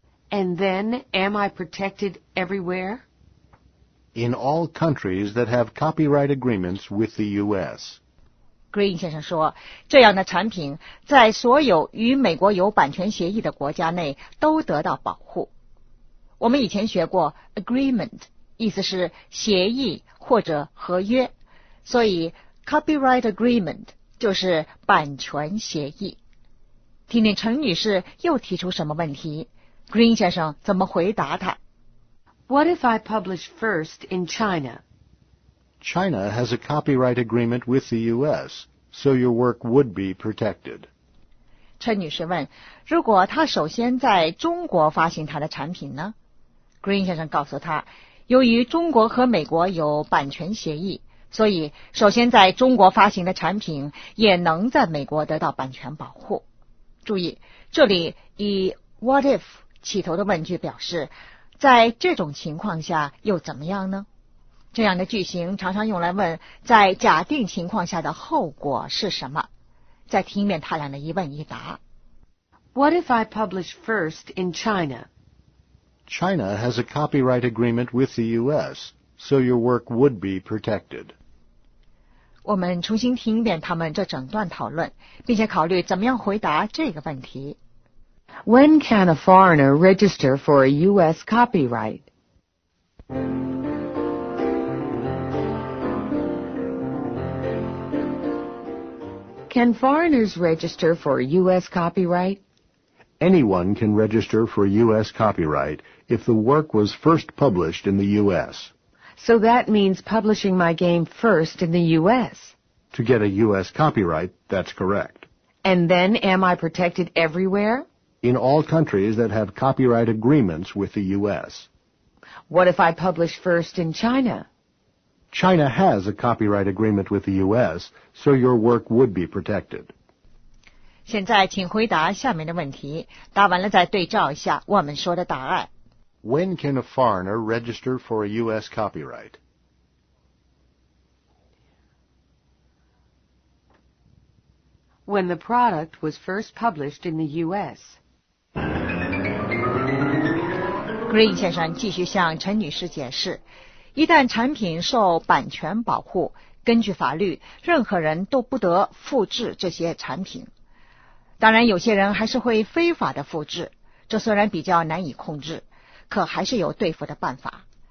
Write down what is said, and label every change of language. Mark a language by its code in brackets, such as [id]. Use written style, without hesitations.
[en] And then am I protected everywhere? In all countries that have copyright agreements with the U.S. [zh] Green 先生说，这样的产品在所有与美国有版权协议的国家内都得到保护。我们以前学过 agreement， 意思是协议或者合约，所以 copyright agreement 就是版权协议。听听陈女士又提出什么问题， Green 先生怎么回答她。 [en] What if I publish first in China? China has a copyright agreement with the U.S., so your work would be protected. [zh] 陈女士问，如果她首先在中国发行她的产品呢？ Green 先生告诉她，由于中国和美国有版权协议，所以首先在中国发行的产品也能在美国得到版权保护。注意，这里以 what if 起头的问句表示，在这种情况下又怎么样呢？这样的句型常常用来问在假定情况下的后果是什么。再听一遍他俩的一问一答。 [en] What if I publish first in China? China has a copyright agreement with the U.S., so your work would be protected. [zh] 我们重新听一遍他们这整段讨论，并且考虑怎么样回答这个问题。 [en] When can a foreigner register for a U.S. copyright? Can foreigners register for U.S. copyright? Anyone can register for U.S. copyright if the work was first published in the U.S. So that means publishing my game first in the U.S. To get a U.S. copyright, that's correct. And then am I protected everywhere? In all countries that have copyright agreements with the U.S. What if I publish first in China? China has a copyright agreement with the U.S., so your work would be protected. [zh] 现在请回答下面的问题，答完了再对照一下我们说的答案。 [en] When can a foreigner register for a U.S. copyright? When the product was first published in the U.S. [zh] Green 先生继续向陈女士解释，一旦产品受版权保护，根据法律，任何人都不得复制这些产品。当然，有些人还是会非法的复制，这虽然比较难以控制，可还是有对付的办法。